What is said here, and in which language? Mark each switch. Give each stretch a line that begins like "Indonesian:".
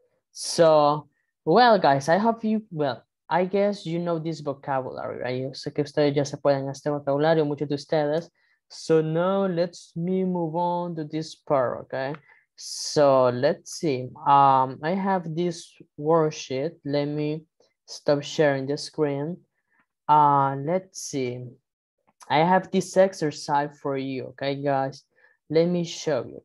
English: So, well, guys, I hope you, well, I guess you know this vocabulary, right?
Spanish: Yo sé que ustedes ya se pueden este vocabulario, muchos de ustedes.
English: So now let's me move on to this part, okay? So let's see. I have this worksheet. Let me stop sharing the screen. Let's see. I have this exercise for you. Okay, guys. Let me show you.